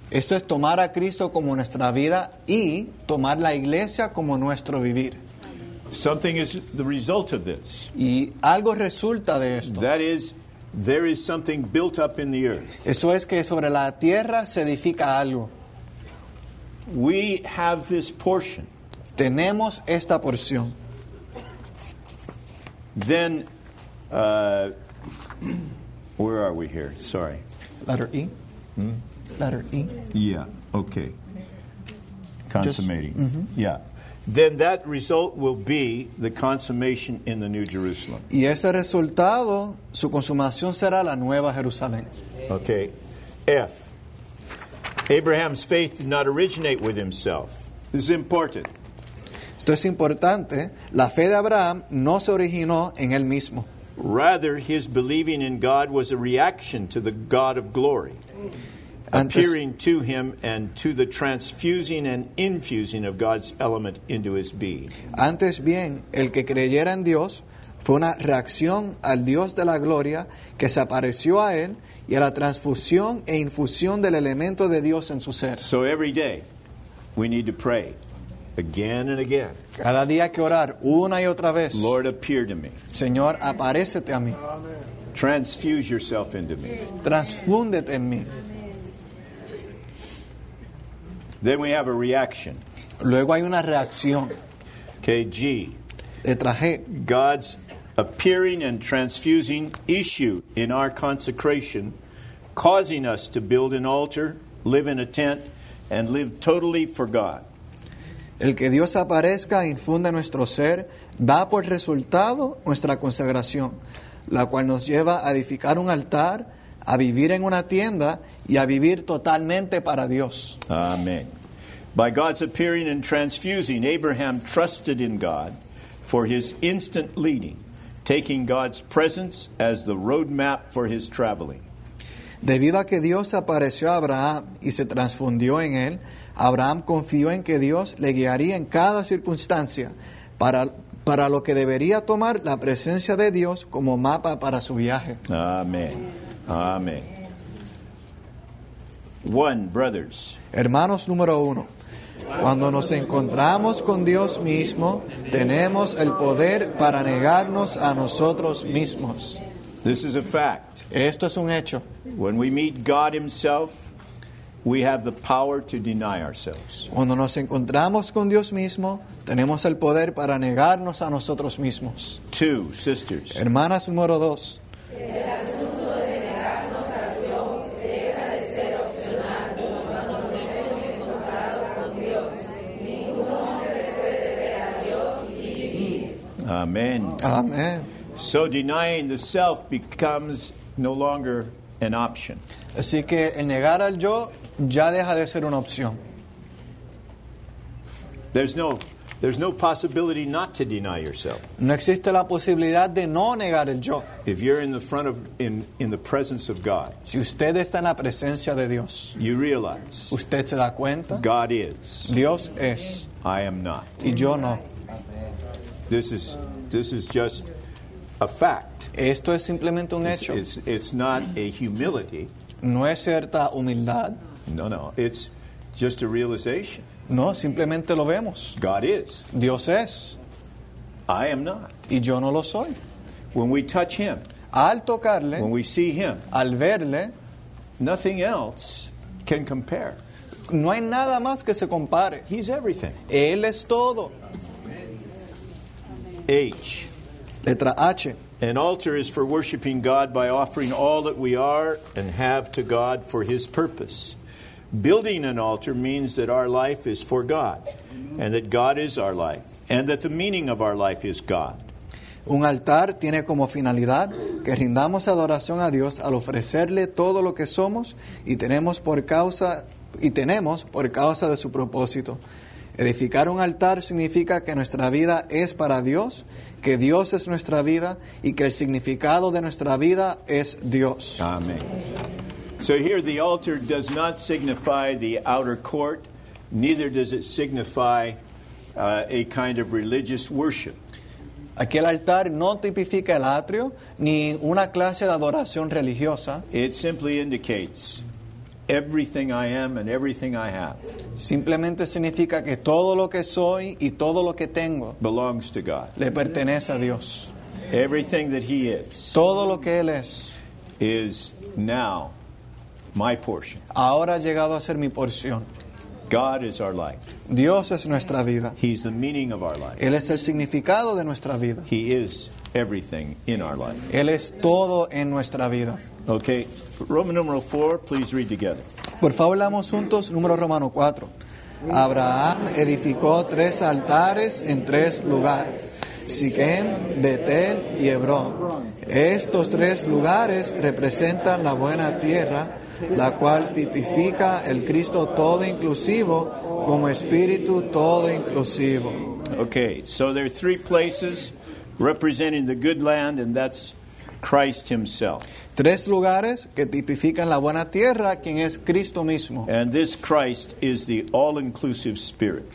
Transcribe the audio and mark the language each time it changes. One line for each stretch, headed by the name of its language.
Spanish: Esto es tomar a Cristo como nuestra vida y tomar la iglesia como nuestro vivir.
English: Something is the result of this.
Spanish: Y algo resulta de esto.
English: That is, there is something built up in the earth.
Spanish: Eso es que sobre la tierra se edifica algo.
English: We have this portion. Tenemos esta porción. Then, where are we here? Sorry. Letter E. Letter E. Yeah, okay. Consummating. Yeah. Then that result will be the consummation in the New Jerusalem.
Spanish: Y ese resultado, su consumación será la Nueva Jerusalén.
English: Okay. F. Abraham's faith did not originate with himself. This is important.
Spanish: Esto es importante. La fe de Abraham no se originó en él mismo.
English: Rather, his believing in God was a reaction to the God of glory, appearing to him and to the transfusing and infusing of God's element into his being.
Spanish: Antes bien, el que creyera en Dios fue una reacción al Dios de la gloria que se apareció a él y a la transfusión e infusión del elemento de Dios en su ser.
English: So every day we need to pray again and again.
Spanish: Cada día hay que orar una y otra vez.
English: Lord, appear to me.
Spanish: Señor, aparécete a mí.
English: Transfuse yourself into me.
Spanish: Transfúndete en mí.
English: Then we have a reaction.
Spanish: Luego hay una reacción.
English: KG.
Spanish: Letra G.
English: God's appearing and transfusing issue in our consecration, causing us to build an altar, live in a tent, and live totally for God.
Spanish: El que Dios aparezca e infunda nuestro ser, da por resultado nuestra consagración, la cual nos lleva a edificar un altar, a vivir en una tienda, y a vivir totalmente para Dios.
English: Amen. By God's appearing and transfusing, Abraham trusted in God, for his instant leading, taking God's presence as the roadmap for his traveling.
Spanish: Debido a que Dios apareció a Abraham y se transfundió en él, Abraham confió en que Dios le guiaría en cada circunstancia para lo que debería tomar la presencia de Dios como mapa para su viaje. Amén. Amén.
English: One, brothers.
Spanish: Hermanos, número uno. Cuando nos encontramos con Dios mismo, tenemos el poder para negarnos a nosotros mismos.
English: This is a fact.
Spanish: Esto es un hecho.
English: When we meet God himself, we have the power to deny ourselves.
Spanish: Cuando nos encontramos con Dios mismo, tenemos el poder para negarnos a nosotros mismos.
English: Two, sisters.
Spanish: Hermanas, número dos.
English: Amen. Amen. So denying the self becomes no longer an option.
Spanish: Así que el negar al yo ya deja de ser una opción.
English: There's no possibility not to deny yourself.
Spanish: No existe la posibilidad de no negar el yo.
English: If you're in the front of in the presence of God.
Spanish: Si usted está en la presencia de Dios.
English: You realize.
Spanish: Usted se da cuenta.
English: God is.
Spanish: Dios es.
English: I am not.
Spanish: Y yo no.
English: This is just a fact.
Spanish: Esto es simplemente un hecho.
English: It's not a humility.
Spanish: No es cierta humildad.
English: No. It's just a realization.
Spanish: No, simplemente lo vemos.
English: God is.
Spanish: Dios es.
English: I am not.
Spanish: Y yo no lo soy.
English: When we touch him.
Spanish: Al tocarle.
English: When we see him.
Spanish: Al verle.
English: Nothing else can compare.
Spanish: No hay nada más que se compare.
English: He's everything.
Spanish: Él es todo.
English: H.
Spanish: Letra H.
English: An altar is for worshiping God by offering all that we are and have to God for his purpose. Building an altar means that our life is for God, and that God is our life, and that the meaning of our life is God.
Spanish: Un altar tiene como finalidad que rindamos adoración a Dios al ofrecerle todo lo que somos y tenemos por causa de su propósito. Edificar un altar significa que nuestra vida es para Dios, que Dios es nuestra vida y que el significado de nuestra vida es Dios. Amén.
English: So here the altar does not signify the outer court, neither does it signify a kind of religious worship.
Spanish: Aquí el altar no tipifica el atrio ni una clase de adoración religiosa.
English: It simply indicates everything I am and everything I have.
Spanish: Simplemente significa que todo lo que soy y todo lo que tengo
English: belongs to God.
Spanish: Le pertenece a Dios.
English: Everything that he is.
Spanish: Todo lo que él es.
English: Is now my portion.
Spanish: Ahora ha llegado a ser mi porción.
English: God is our life.
Spanish: Dios es nuestra vida.
English: He's the meaning of our life.
Spanish: Él es el significado de nuestra vida.
English: He is everything in our life.
Spanish: Él es todo en nuestra vida.
English: Okay, Roman numeral 4, please read together.
Spanish: Por favor, leamos juntos, número romano 4. Abraham edificó tres altares en tres lugares, Siquem, Betel y Hebrón. Estos tres lugares representan la buena tierra, la cual tipifica el Cristo todo inclusivo como espíritu todo inclusivo.
English: Okay, so there are three places representing the good land, and that's Christ himself.
Spanish: Tres lugares que tipifican la buena tierra, quien es Cristo mismo.
English: And this Christ is the all-inclusive spirit.